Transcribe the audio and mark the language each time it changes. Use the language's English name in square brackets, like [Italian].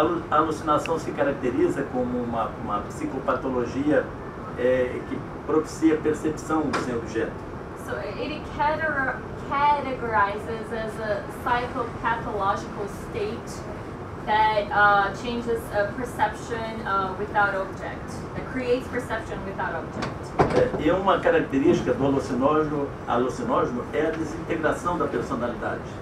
[Portuguese] Alucinação se caracteriza como uma psicopatologia que propicia percepção sem objeto. [English] So it categorizes as a psychopathological state that changes a perception without object, that creates perception without object. [Portuguese] E uma característica do alucinógeno é a desintegração da personalidade.